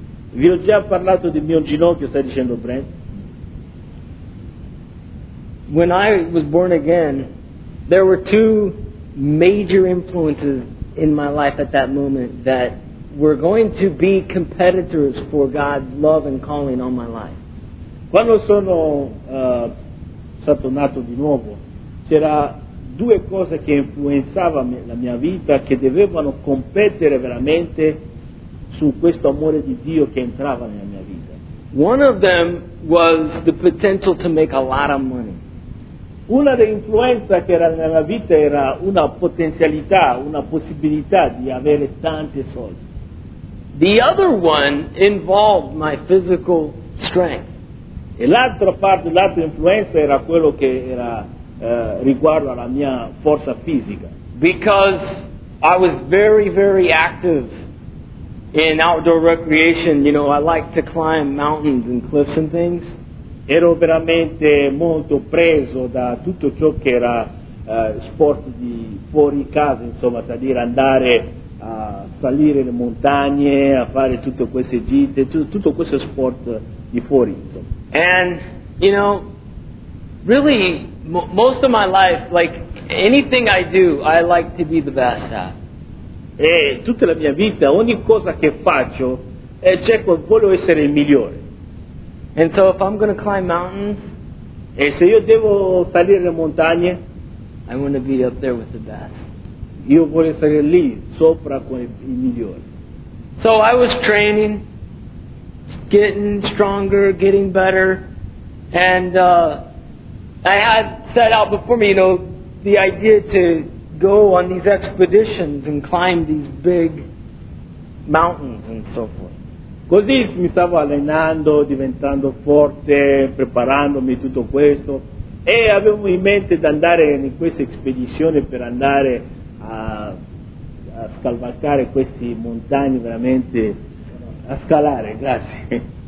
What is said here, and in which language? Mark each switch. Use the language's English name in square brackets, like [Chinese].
[Italian] Vi ho già parlato di mio ginocchio, stai dicendo Brent? [English] When I was born again, there were two major influences in my life at that moment that we're going to be competitors for God's love and calling on my life. [Italian] Quando sono stato nato di nuovo, c'era due cose che influenzavano la mia vita che dovevano competere veramente su questo amore di Dio che entrava nella mia vita. [English] One of them was the potential to make a lot of money. [Italian] Una delle influenze che era nella vita era una potenzialità, una possibilità di avere tante soldi. [English] The other one involved my physical strength. [Italian] E l'altra parte, l'altra influenza era quello che era riguardo alla mia forza fisica. [English] Because I was very, very active in outdoor recreation. You know, I like to climb mountains and cliffs and things. [Italian] Ero veramente molto preso da tutto ciò che era sport di fuori casa, insomma, da dire andare a salire le montagne, a fare tutte queste gite, tutto questo sport di fuori, insomma. [English] And You know, really, most of my life, like anything I do, I like to be the best at. [Italian] E tutta la mia vita, ogni cosa che faccio, voglio essere il migliore. [English] And so if I'm going to climb mountains, [Italian] e se io devo salire le montagne, [English] I want to be up there with the best. [Italian] Io voglio essere lì, sopra con i migliori. [English] So I was training, getting stronger, getting better, and I had set out before me, you know, the idea to go on these expeditions and climb these big mountains and so forth. [Italian] Così mi stavo allenando, diventando forte, preparandomi tutto questo, e avevo in mente di andare in queste espedizioni per andare a scavalcare queste montagne, veramente a scalare, grazie.